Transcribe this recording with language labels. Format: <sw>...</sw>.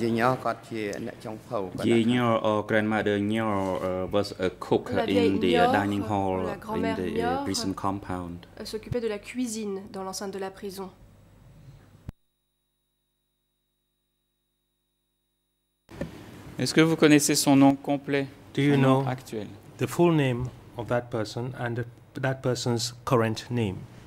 <en>The Nor, or grandmother Nor, was a cook in the dining hall in the prison compound.</en> <fr>Elle s'occupait de la cuisine dans l'enceinte de la prison. Est-ce que vous connaissez son nom complet, son nom actuel?</fr> <en>The full name of that person and that person's current name.</en>